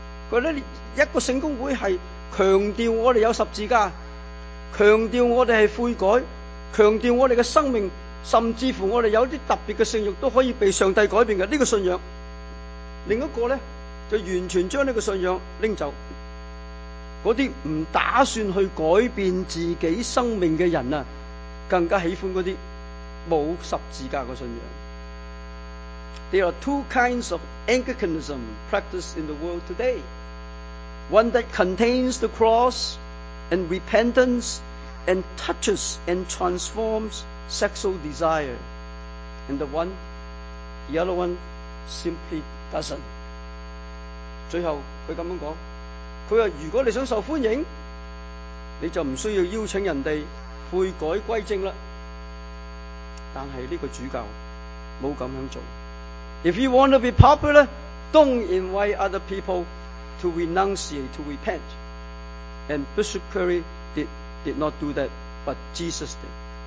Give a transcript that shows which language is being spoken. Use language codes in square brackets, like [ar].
[zh] 他说一个圣公会是强调我们有十字架，强调我们是悔改，强调我们的生命，甚至乎我们有些特别的圣欲都可以被上帝改变的这个信仰。另一个呢，就完全将这个信仰拎走。那些不打算去改变自己生命的人更加喜欢那些没有十字架的信仰。 [en] There are two kinds of Anglicanism practiced in the world today. one that contains the cross and repentance and touches and transforms sexual desire. And the one, the other one, simply doesn't. [zh] 最后他这样说，他说如果你想受欢迎，你就不需要邀请人家悔改归正了。但是这个主教没这样做。 [en] If you want to be popular, don't invite other people to renunciate, to repent. And Bishop Curry did not do that, but Jesus did.